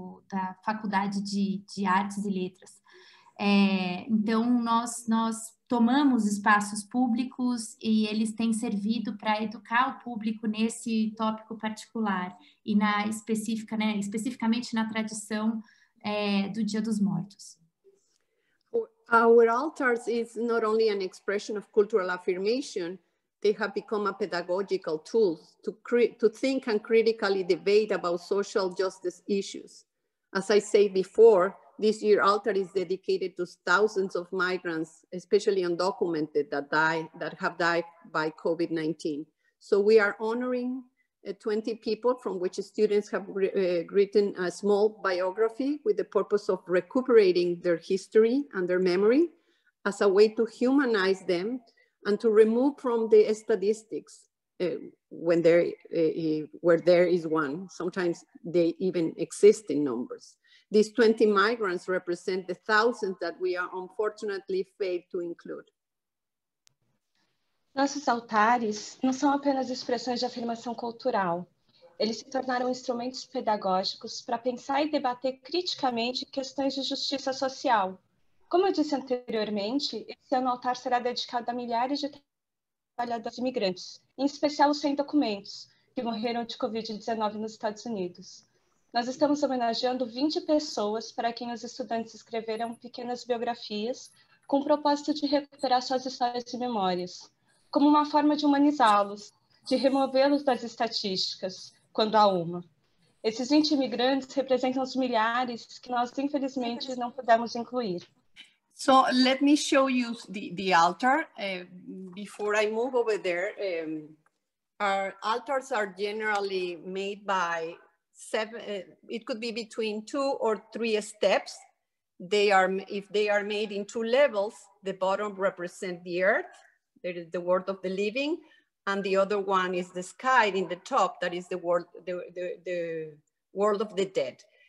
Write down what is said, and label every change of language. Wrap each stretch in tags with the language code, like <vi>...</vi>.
<pt>Da Faculdade de Artes e Letras. Então, nós tomamos espaços públicos e eles têm servido para educar o público nesse tópico particular e na específica, né, especificamente na tradição do Dia dos Mortos.</pt> <en>Our altars is not only an expression of cultural affirmation, they have become a pedagogical tool to think and critically debate about social justice issues. As I said before, this year altar is dedicated to thousands of migrants, especially undocumented, that have died by COVID-19. So we are honoring 20 people from which students have written a small biography with the purpose of recuperating their history and their memory as a way to humanize them and to remove from the statistics when there where there is one. Sometimes they even exist in numbers. These 20 migrants represent the thousands that we are unfortunately failed to include.</en> <pt>Nossos altares não são apenas expressões de afirmação cultural. Eles se tornaram instrumentos pedagógicos para pensar e debater criticamente questões de justiça social. Como eu disse anteriormente, esse ano o altar será dedicado a milhares de trabalhadores imigrantes, em especial os sem documentos, que morreram de COVID-19 nos Estados Unidos. Nós estamos homenageando 20 pessoas para quem os estudantes escreveram pequenas biografias com o propósito de recuperar suas histórias e memórias, como uma forma de humanizá-los, de removê-los das estatísticas, quando há uma. Esses 20 imigrantes representam os milhares que nós, infelizmente, não pudemos incluir.</pt> <en>So let me show you the altar before I move over there. Our altars are generally made by it could be between two or three steps. If they are made in two levels, the bottom represent the earth, that is the world of the living, and the other one is the sky in the top, that is the world of the dead.</en>